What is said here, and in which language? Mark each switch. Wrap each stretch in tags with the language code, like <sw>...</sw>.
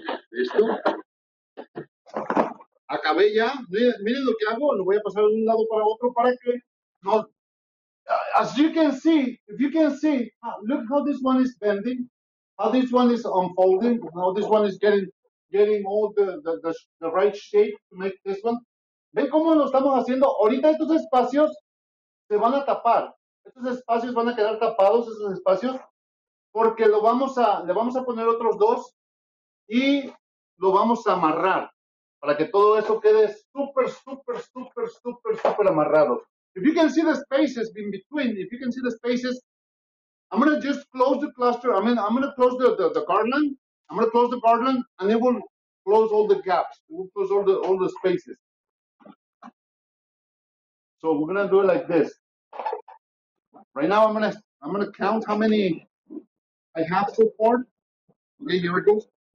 <es>Listo. Acabé ya. Miren lo que hago. Lo voy a pasar de un lado para otro para que no.</es> <en>As you can see, if you can see, look how this one is bending, how this one is unfolding, how this one is getting all the right shape to make this one.</en> <es>¿Ven cómo lo estamos haciendo? Ahorita estos espacios se van a tapar. Estos espacios van a quedar tapados, estos espacios, porque le vamos a poner otros dos y lo vamos a amarrar para que todo eso quede súper, súper, súper, súper, súper amarrado.</es> <en>If you can see the spaces in between, if you can see the spaces, I'm going to just close the cluster. I mean, I'm going to close the garland. I'm going to close the garland, and it will close all the gaps. It will close all the spaces. So we're going to do it like this. Right now, I'm going to count how many I have so far. Okay, here it goes.</en>